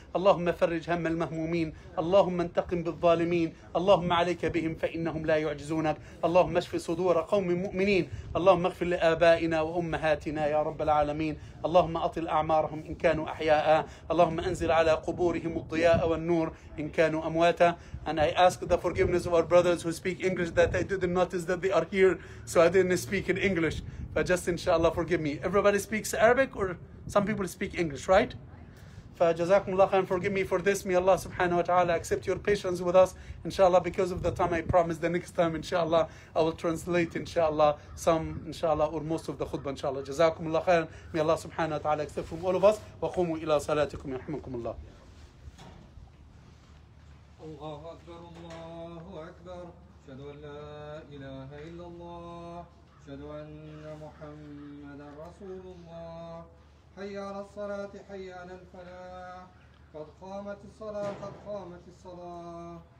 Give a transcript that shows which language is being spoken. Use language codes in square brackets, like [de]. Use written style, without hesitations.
[ar] اللهم فرج هم المهمومين، اللهم انتقم بالظالمين، اللهم عليك بهم فإنهم لا يعجزونك. اللهم اشف صدور قوم مؤمنين، اللهم اغفر لآبائنا وأمهاتنا يا رب العالمين. اللهم أطل أعمارهم إن كانوا أحياء، اللهم أنزل على قبورهم الضياء والنور إن كانوا أمواتا. [en] And I ask the forgiveness of our brothers who speak English that I didn't notice that they are here, so I didn't speak in English. But just inshallah forgive me. Everybody speaks Arabic or some people speak English, right? [ar] فجزاكم الله خيرا. [en] Forgive me for this. May Allah subhanahu wa ta'ala accept your patience with us. Inshallah, because of the time, I promise the next time, inshallah, I will translate, inshallah, some, inshallah, or most of the khutbah, inshallah. [ar] جزاكم الله خيرا. [en] May Allah subhanahu wa ta'ala accept from all of us. [ar] وقوموا إلى صلاتكم يرحمكم الله. الله أكبر الله أكبر، أشهد أن لا إله إلا الله، أشهد أن محمدا رسول الله. حي على الصلاة حي على الفلاح، قد قامت الصلاة قد قامت الصلاة.